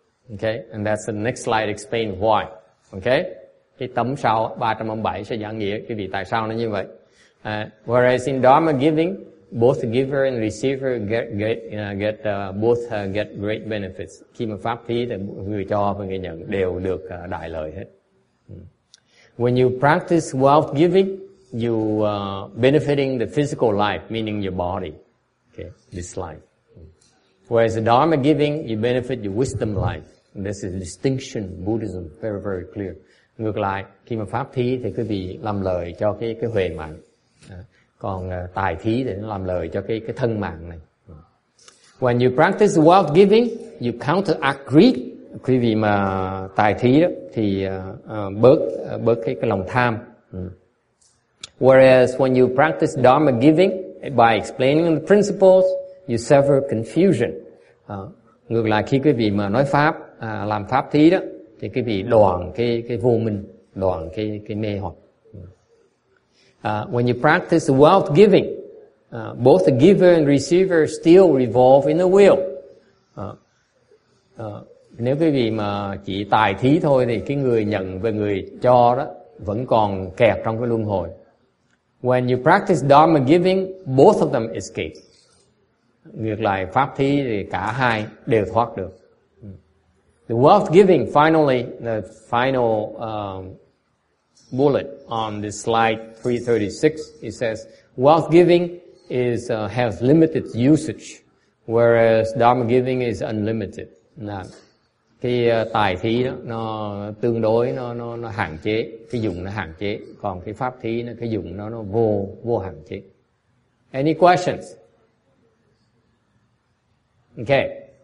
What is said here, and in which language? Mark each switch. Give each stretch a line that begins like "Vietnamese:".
English: Okay, and that's the next slide explain why. Okay.
Vietnamese: Cái tấm sau 307 sẽ giải nghĩa cái vì tại sao nó như vậy.
English: Whereas in dharma giving, both giver and receiver get great benefits.
Vietnamese: Khi mà pháp thí thì người cho và người nhận đều được đại lợi hết.
English: When you practice wealth giving, you benefiting the physical life, meaning your body. Okay, this life. Whereas in dharma giving, you benefit your wisdom life. And this is a distinction in Buddhism, very very clear.
Vietnamese: Ngược lại, khi mà pháp thí thì quý vị làm lời cho cái huệ mạng. Còn tài thí thì nó làm lời cho cái thân mạng này.
English: When you practice wealth giving, you counteract greed,
Vietnamese: quý vị mà tài thí đó, thì bớt cái lòng tham.
English: Whereas when you practice dharma giving by explaining the principles, you sever confusion.
Vietnamese: Ngược lại khi quý vị mà nói pháp, làm pháp thí đó, thì quý vị đoạn cái vô minh, đoạn cái mê hoặc.
English: When you practice wealth giving, both the giver and receiver still revolve in the will.
Vietnamese: Nếu quý vị mà chỉ tài thí thôi thì cái người nhận và người cho đó vẫn còn kẹt trong cái luân hồi.
English: When you practice dharma giving, both of them escape.
Vietnamese: Ngược lại pháp thí thì cả hai đều thoát được.
English: The wealth giving, finally, the final bullet on this slide 336, it says wealth giving is has limited usage, whereas dharma giving is unlimited.
Vietnamese: Cái tài thí đó nó tương đối nó hạn chế, cái dùng nó hạn chế, còn cái pháp thí nó cái dùng nó vô hạn chế.
English: Any questions? Okay.